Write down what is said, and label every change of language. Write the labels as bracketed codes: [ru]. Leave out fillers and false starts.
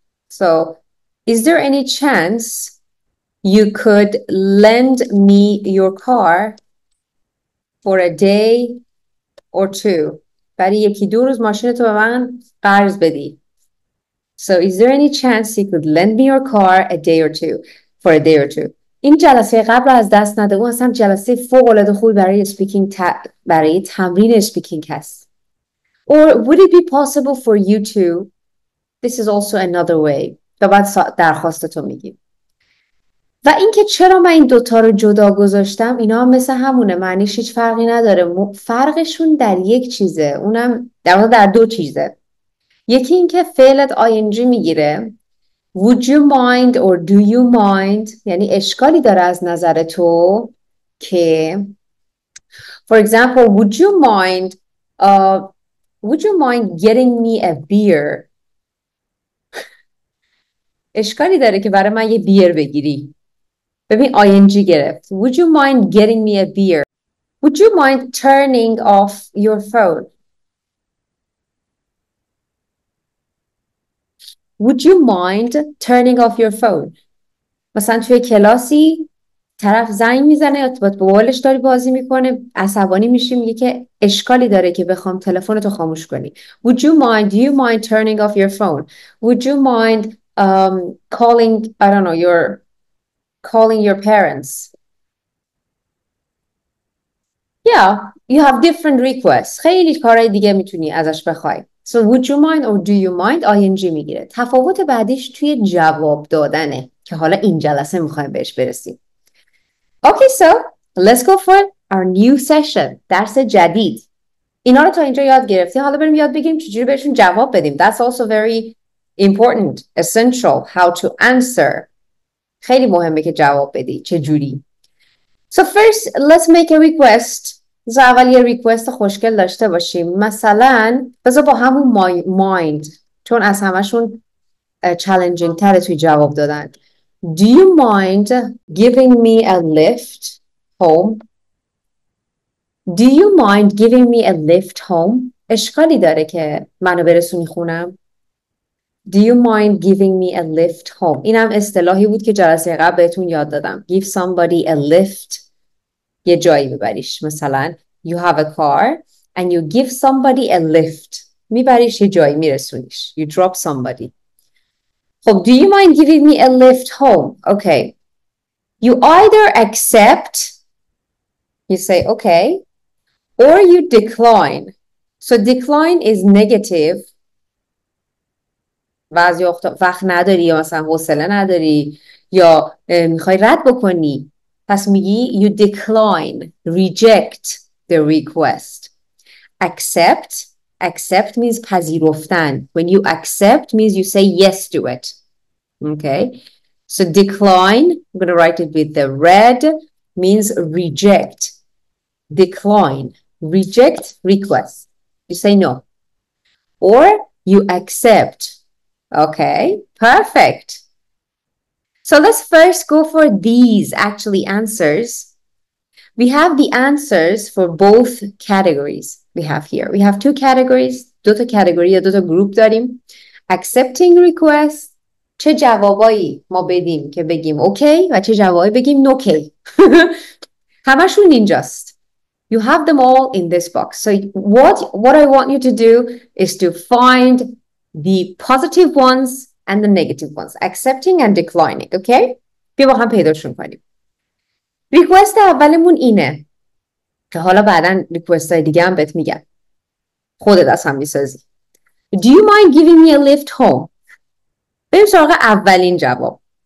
[en] So, is there any chance you could lend me your car for a day or two? [fa] برای یکی دو روز ماشینتو به من قرض بدی. [en] So, is there any chance you could lend me your car a day or two, for a day or two? [fa] این جلسه قبل از دست نده، اون اصلا جلسه فوق العاده خوبی برای speaking برای تمرین speaking هست. [en] Or would it be possible for you to? This is also another way. [fa] تو بعد درخواست تو میگی. و اینکه چرا من این دوتا رو جدا گذاشتم، اینا هم مثل همونه، معنیش هیچ فرقی نداره. فرقشون در یک چیزه، اونم در دو چیزه. یکی اینکه فعلت آینجی میگیره، [en] would you mind or do you mind، [fa] یعنی اشکالی داره از نظر تو که [en] for example would you mind getting me a beer، [fa] اشکالی داره که برای من یه بیر بگیری. ببین ING گرفت. [en] Would you mind getting me a beer? Would you mind turning off your phone? Would you mind turning off your phone? [fa] مثلا توی کلاسی طرف زنگ میزنه، ارتباط با والش داری بازی میکنه، عصبانی میشی، میگه که اشکالی داره که بخوام تلفن تو خاموش کنی. [en] Would you mind, do you mind turning off your phone? Would you mind calling, I don't know, calling your parents. Yeah, you have different requests. [fa] خیلی کارهای دیگه میتونی ازش بخوای. [en] So would you mind or do you mind [fa] ING میگیره. تفاوت بعدیش توی جواب دادنه که حالا این جلسه میخوایم بهش برسیم. [en] Okay, so let's go for our new session. [fa] درس جدید. اینا رو تا اینجا یاد گرفتیم، حالا بریم یاد بگیریم چجوری بهشون جواب بدیم. [en] That's also very important, essential, how to answer. [fa] خیلی مهمه که جواب بدی چجوری. [en] So first let's make a request. [fa] اول یه request خوشگل داشته باشیم. مثلا بذار با همون mind، چون از همشون challenging تره توی جواب دادن. [en] Do you mind giving me a lift home? Do you mind giving me a lift home? [fa] اشکالی داره که منو برسونی خونم؟ [en] Do you mind giving me a lift home? [fa] اینم اصطلاحی بود که جلسه قبل بهتون یاد دادم. [en] Give somebody a lift. [fa] یه جایی ببریش. [en] مثلا you have a car and you give somebody a lift. [fa] میبریش یه جایی، میرسونیش. [en] You drop somebody. خب do you mind giving me a lift home? Okay. You either accept. You say okay. Or you decline. So decline is negative. [fa] بعضی وقت نداری یا مثلا حوصله نداری یا میخوای رد بکنی، پس میگی [en] you decline, reject the request. Accept means پذیرفتن. When you accept means you say yes to it. Okay, so decline, I'm going to write it with the red, means reject. Decline, reject request, you say no. Or you accept. Okay, perfect. So let's first go for these actually answers. We have the answers for both categories we have here. We have two categories, [fa] دو تا category یا دو تا group داریم. [en] Accepting request. [fa] چه جوابایی ما بدیم که بگیم okay و چه جوابایی بگیم okay. همشون اینجاست. [en] You have them all in this box. So what I want you to do is to find the positive ones and the negative ones, accepting and declining. [fa] Okay, بیا با هم پیداشون کنیم. ریکوست اولمون اینه که حالا بعدا ریکوست های دیگه هم بهت میگم، خودت از هم میسازی. [en] Do you mind giving me a lift home؟ [fa] بریم سراغ اولین جواب.